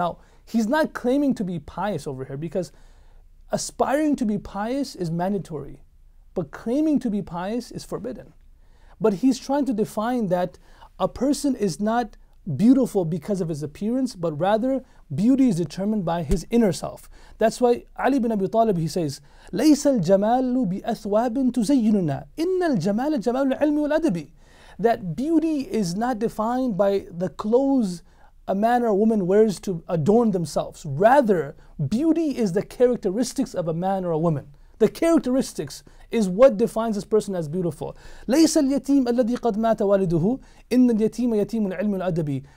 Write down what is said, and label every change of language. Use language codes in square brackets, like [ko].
[en] Now, he's not claiming to be pious over here, because aspiring to be pious is mandatory, but claiming to be pious is forbidden. But he's trying to define that a person is not beautiful because of his appearance, but rather beauty is determined by his inner self. That's why Ali ibn Abi Talib, he says, [ar] لَيْسَ الْجَمَالُ بِأَثْوَابٍ تُزَيِّنُنَا إِنَّ الْجَمَالَ جَمَالُ الْعِلْمِ وَالْأَدَبِ. [en] That beauty is not defined by the clothes a man or a woman wears to adorn themselves. Rather, beauty is the characteristics of a man or a woman. The characteristics is what defines this person as beautiful. [ar] لَيْسَ الْيَتِيمَ الَّذِي قَدْ مَاتَ وَالِدُهُ إِنَّ الْيَتِيمَ يَتِيمُ الْعِلْمِ الْأَدَبِ.